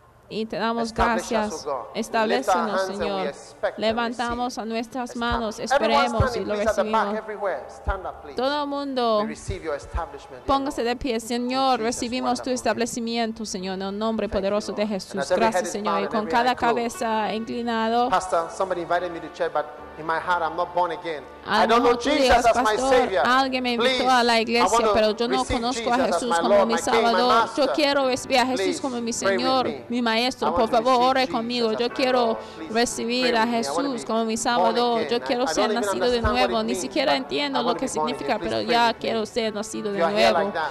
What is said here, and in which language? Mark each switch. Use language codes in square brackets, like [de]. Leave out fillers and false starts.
[es] Y te damos gracias. Establécenos, Señor. Levantamos a nuestras manos, esperemos y lo recibimos. Todo el mundo, póngase de pie. Señor, recibimos tu establecimiento, Señor, en el nombre poderoso de Jesús. Gracias, Señor. Y con cada cabeza inclinada. [en] Pastor, somebody invited me to church, but in my heart, I'm not born again. I don't know Jesus as my Savior. [es] Alguien me invitó a la iglesia, pero yo no conozco a Jesús como mi Salvador. Yo quiero recibir a Jesús como mi Señor, mi Maestro. Por favor, ore conmigo. Yo quiero recibir a Jesús como mi Salvador. Yo quiero ser nacido de nuevo. Ni siquiera entiendo lo que significa, pero ya quiero ser nacido de nuevo.